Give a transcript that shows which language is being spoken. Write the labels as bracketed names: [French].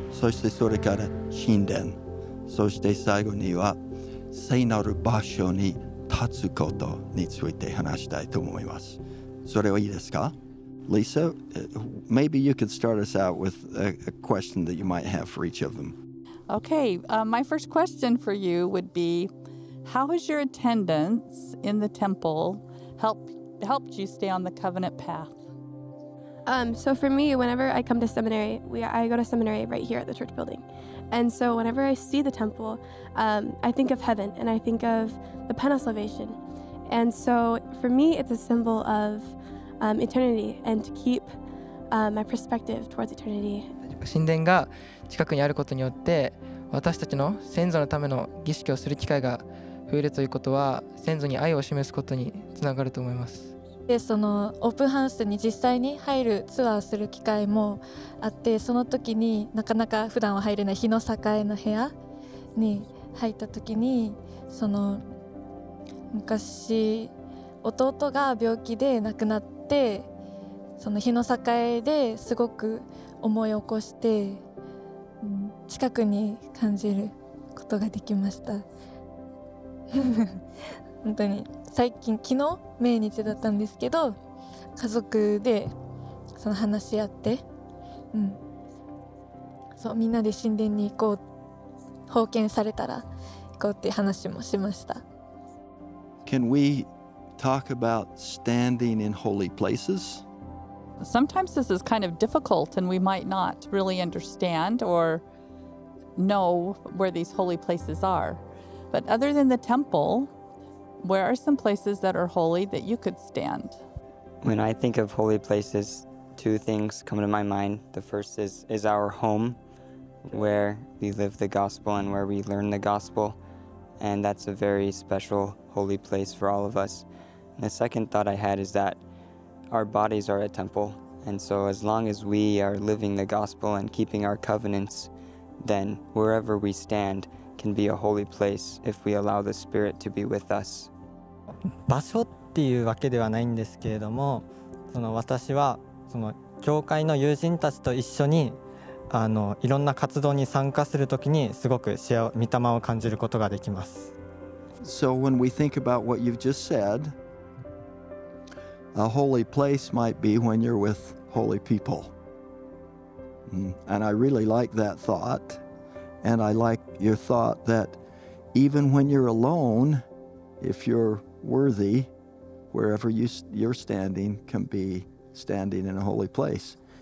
[Japanese] そしてそれから神殿、そして最後には聖なる場所に立つことについて話したいと思います。それはいいですか？ [English] Lesa, maybe you could start us out with a question that you might have for each of them. Okay, my first question for you would be, how has your attendance in the temple helped you stay on the covenant path? So for me, whenever I come to seminary, I go to seminary right here at the church building. And so whenever I see the temple, I think of heaven and I think of the Pan of Salvation. And so for me, it's a symbol of eternity and to keep my perspective towards eternity. [Japanese] 神殿が近くにあることによって、私たちの先祖のための儀式をする機会が増えるということは、先祖に愛を示すことにつながると思います。でそのオープンハウスに実際に入るツアーする機会もあって、その時になかなか普段は入れない日の境の部屋に入った時に、その昔弟が病気で亡くなって、その日の境ですごく思い起こして、近くに感じることができました。本当に最近、昨日命日だったんですけど、家族でその話し合って、そうみんなで神殿に行こう、奉献されたら行こうって話もしました。 [English] Can we talk about standing in holy places? Sometimes this is kind of difficult and we might not really understand or know where these holy places are. But other than the temple,where are some places that are holy that you could stand? When I think of holy places, two things come to my mind. The first is our home, where we live the gospel and where we learn the gospel. And that's a very special holy place for all of us. And the second thought I had is that our bodies are a temple. And so as long as we are living the gospel and keeping our covenants, then wherever we stand,can be a holy place if we allow the Spirit to be with us. [Japanese] 場所っていうわけではないんですけれども、その私はその教会の友人たちと一緒にいろんな活動に参加するときにすごく御霊を感じることができます。 [English] So when we think about what you've just said, a holy place might be when you're with holy people. And I really like that thought. And I like your thought that even when you're alone, if you're worthy, wherever you're standing can be standing in a holy place.